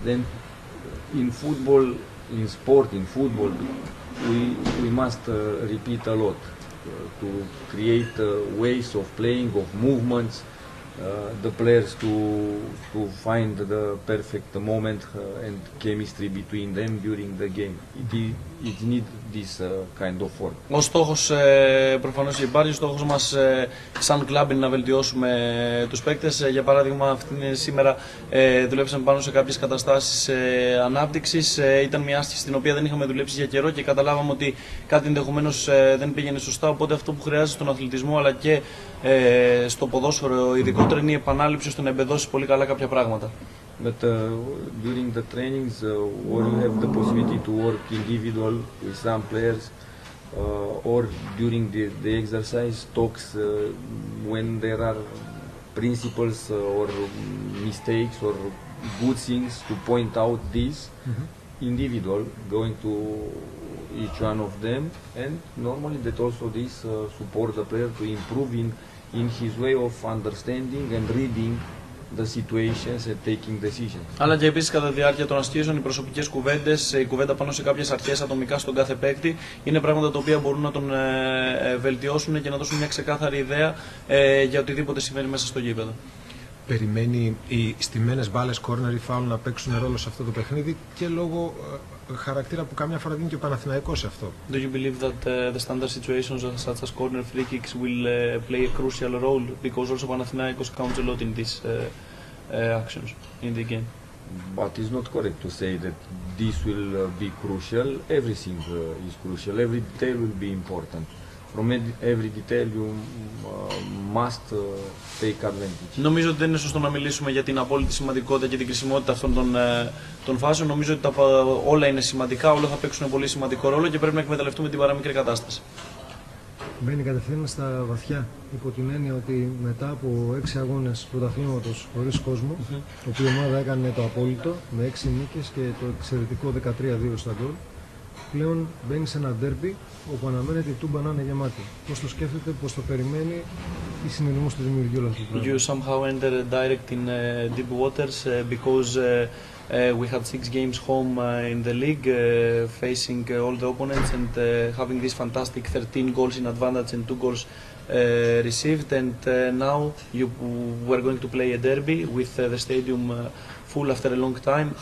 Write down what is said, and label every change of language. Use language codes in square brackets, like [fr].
[en] Then in football, in sport, in football, we must repeat a lot to create ways of playing, of movements, the players to find the perfect moment and chemistry between them during the game. it need this kind of work. [el] Ο στόχος προφανώς είναι πάρει, ο στόχος μας σαν κλαμπ είναι να βελτιώσουμε τους παίκτες. Για παράδειγμα, σήμερα δουλέψαμε πάνω σε κάποιες καταστάσεις ανάπτυξης. Ήταν μια άσκηση στην οποία δεν είχαμε δουλέψει για καιρό και καταλάβαμε ότι κάτι ενδεχομένως δεν πήγαινε σωστά. Οπότε αυτό που χρειάζεται στον αθλητισμό αλλά και στο ποδόσφαιρο ειδικότερα είναι η επανάληψη ώστε να εμπεδώσει πολύ καλά κάποια πράγματα. [en] But during the trainings, or you have the possibility to work individual with some players, or during the exercise talks, when there are principles or mistakes or good things to point out this individual, going to each one of them, and normally that also this supports the player to improve in his way of understanding and reading the situations and taking decisions. [el] Αλλά και επίσης κατά τη διάρκεια των ασκήσεων, οι προσωπικές κουβέντες, η κουβέντα πάνω σε κάποιες αρχές ατομικά στον κάθε παίκτη, είναι πράγματα τα οποία μπορούν να τον βελτιώσουν και να δώσουν μια ξεκάθαρη ιδέα για οτιδήποτε συμβαίνει μέσα στο γήπεδο. Περιμένει οι στημένες μπάλες, corner ή foul να παίξουν ρόλο σε αυτό το παιχνίδι και λόγω χαρακτήρα που καμιά φορά δίνει και ο Παναθηναϊκός σε αυτό. [en] Do you believe that the standard situations such as corner free kicks will play a crucial role because also Panathinaikos counts a lot in these actions in the game? But it's not correct to say that this will be crucial. Everything is crucial. Every detail will be important. From every detail you must take advantage. [el] Νομίζω ότι δεν είναι σωστό να μιλήσουμε για την απόλυτη σημαντικότητα και την κρισιμότητα αυτών των φάσεων. Νομίζω ότι όλα είναι σημαντικά, όλα θα παίξουν πολύ σημαντικό ρόλο και πρέπει να εκμεταλλευτούμε την παραμικρή κατάσταση. Μπαίνει κατευθείαν στα βαθιά, υπό την έννοια ότι μετά από 6 αγώνες πρωταθλήματος χωρίς κόσμο, το οποίο η ομάδα έκανε το απόλυτο με 6 νίκες και το εξαιρετικό 13-2 στα γκολ, πλέον μπαίνει σε ένα ντέρμπι όπου αναμένεται η Τούμπα να είναι γεμάτη. Πώς το σκέφτεται, πώς το περιμένει, τι συνειδημούς του δημιουργεί όλα αυτά. [en] You somehow enter direct in deep waters because we had 6 games home in the league facing all the opponents and having this fantastic 13 goals in advantage and 2 goals received and now you were going to play a derby with the stadium full after a long time.